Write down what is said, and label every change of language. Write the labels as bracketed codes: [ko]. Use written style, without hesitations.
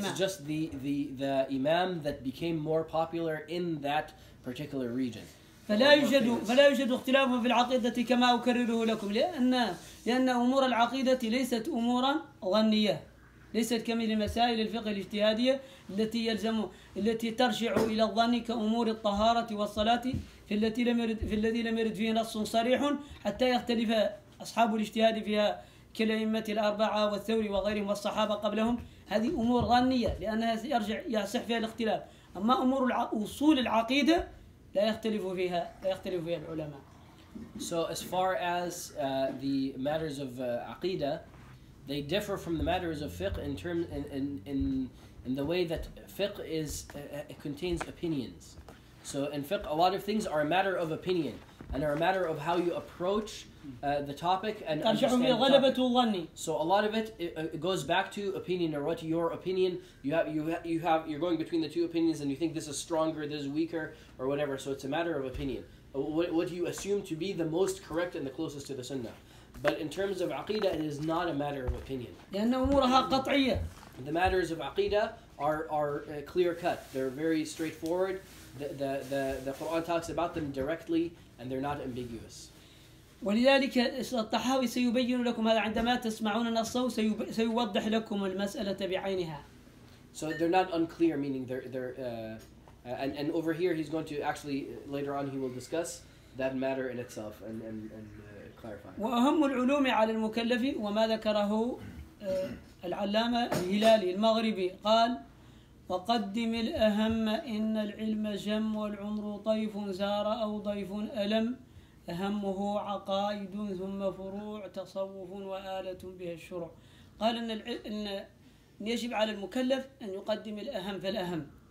[en] So it's just the Imam that became more popular in that particular region. [ar] فلا يوجد اختلاف في العقيدة كما أكرره لكم لأن أمور العقيدة ليست أمورا ظنية ليست كمثل مسائل الفقه الاجتهادية التي ترجع إلى الظن كأمور الطهارة والصلاة في الذي لم يرد فيه نص صريح حتى يختلف أصحاب الاجتهاد فيها كالأئمة الأربعة والثوري وغيرهم والصحابة قبلهم هذه أمور ظنية لأنها يصح فيها الاختلاف أما أمور أصول العقيدة لا يختلف فيها العلماء. [en] So as far as the matters of aqidah, they differ from the matters of fiqh in the way that fiqh is it contains opinions. So in fiqh, a lot of things are a matter of opinion and are a matter of how you approach the topic and understand the topic. So a lot of it goes back to opinion or what your opinion you have you're going between the two opinions and you think this is stronger, this is weaker or whatever. So it's a matter of opinion. What do you assume to be the most correct and the closest to the sunnah? But in terms of aqidah, it is not a matter of opinion. The matters of aqidah are clear cut. They're very straightforward. The Quran talks about them directly, and they're not ambiguous. [ar] ولذلك الطحاوي سيبين لكم هذا عندما تسمعون النص سيوضح لكم المسألة بعينها. [en] So they're not unclear, meaning they're and over here he's going to actually later on he will discuss that matter in itself and [ar] وأهم العلوم على المكلف وما ذكره العلامة الهلالي المغربي قال وقدم الأهم إن العلم جم والعمر طيف زار أو ضيف ألم أهمه عقائد ثم فروع تصوف وآلة بها الشرع قال إن يجب على المكلف أن يقدم الأهم فالأهم